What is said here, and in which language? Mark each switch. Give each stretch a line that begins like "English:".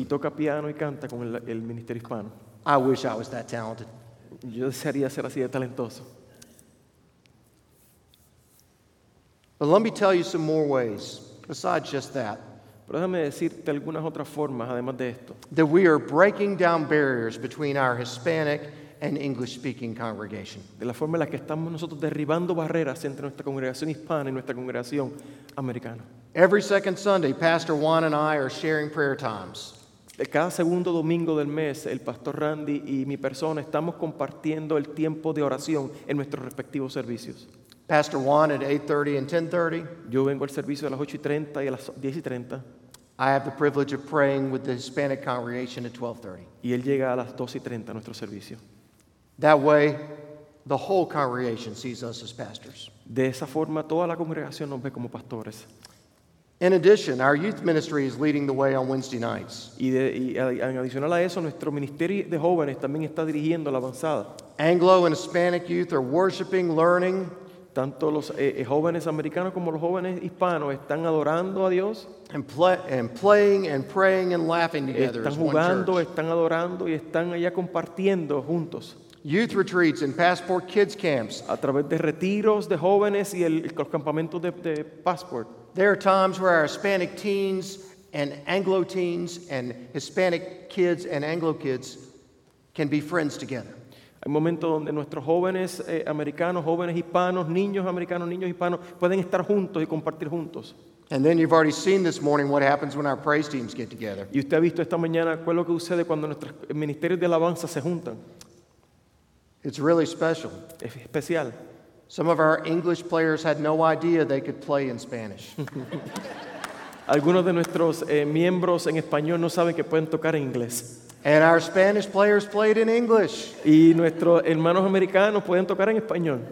Spanish: Y toca piano y canta con el ministerio hispano.
English: I wish I was that talented.
Spanish: Yo desearía ser así de talentoso.
English: But let me tell you some more ways besides just that.
Spanish: Pero déjame decirte algunas otras formas, además de esto.
English: That we are breaking down barriers between our Hispanic and English-speaking congregation.
Spanish: De la forma en la que estamos nosotros derribando barreras entre nuestra congregación hispana y nuestra congregación americana.
English: Every second Sunday, Pastor Juan and I are sharing prayer times.
Spanish: De cada segundo domingo del mes, el Pastor Randy y mi persona estamos compartiendo el tiempo de oración en nuestros respectivos servicios.
English: Pastor Juan at 8:30 and 10:30.
Spanish: Yo vengo al servicio a las 8:30 y a las 10:30.
English: I have the privilege of praying with the Hispanic congregation at 12:30.
Spanish: Y él llega a las 12:30 a nuestro servicio.
English: That way, the whole congregation sees us as pastors.
Spanish: De esa forma, toda la congregación nos ve como pastores.
English: In addition, our youth ministry is leading the way on Wednesday nights.
Spanish: En adicional a eso, nuestro ministerio de jóvenes también está dirigiendo la avanzada.
English: Anglo and Hispanic youth are worshiping, learning.
Spanish: Tanto los jóvenes americanos como los jóvenes hispanos están adorando a Dios.
English: And playing and praying and laughing together.
Spanish: Están jugando, están adorando y están allá compartiendo juntos.
English: Youth retreats and Passport Kids camps.
Spanish: A través de retiros de jóvenes y los campamentos de Passport.
English: There are times where our Hispanic teens and Anglo teens and Hispanic kids and Anglo kids can be friends together.
Spanish: Hay momentos donde nuestros jóvenes americanos, jóvenes hispanos, niños hispanos pueden estar juntos y compartir juntos.
English: And then you've already seen this morning what happens when our praise teams get together.
Spanish: Y usted ha visto esta mañana qué es lo que sucede cuando nuestros ministerios de alabanza se juntan.
English: It's really special.
Spanish: Es especial.
English: Some of our English players had no idea they could play in Spanish.
Spanish: Algunos de nuestros miembros en español no saben que pueden tocar en inglés.
English: And our Spanish players played in English.
Spanish: Y nuestros hermanos americanos pueden tocar en español.